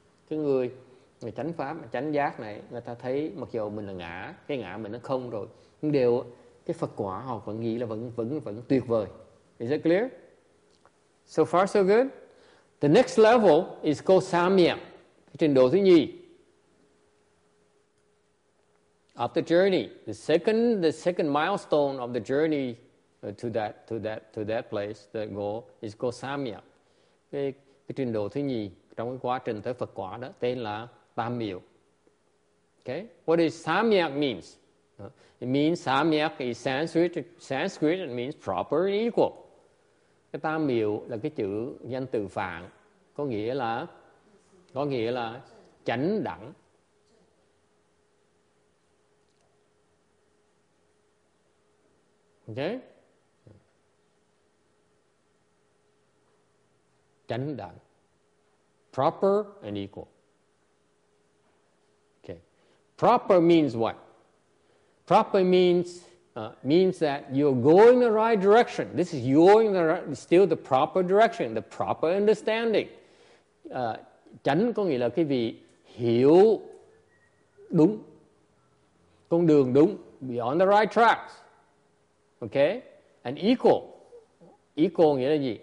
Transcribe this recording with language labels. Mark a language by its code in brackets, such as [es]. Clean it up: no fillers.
[vi] Cái người chánh pháp, chánh giác này, người ta thấy mặc dù mình là ngã, cái ngã mình nó không rồi, nhưng đều cái Phật quả họ vẫn nghĩ là vẫn tuyệt vời. [en] Is that clear? So far so good. The next level is called Samya, [vi] trình độ thứ nhì. [en] Of the journey, the second milestone of the journey to that place, the goal is called Samya. [vi] Cái trình độ thứ nhì trong cái quá trình tới Phật quả đó tên là Tam Miệu. [en] Okay, what is Samya means? It means Samya is Sanskrit. It means proper and equal. [vi] Cái Tam Miệu là cái chữ danh từ Phạn, có nghĩa là chánh đẳng. [en] Okay. [vi] Chánh đẳng, [en] proper and equal. Okay. Proper means what? Proper means that you're going the right direction. This is still the proper direction, the proper understanding. [vi] Chánh có nghĩa là cái vị hiểu đúng con đường đúng, [en] be on the right tracks. Okay, and equal [vi] nghĩa là gì?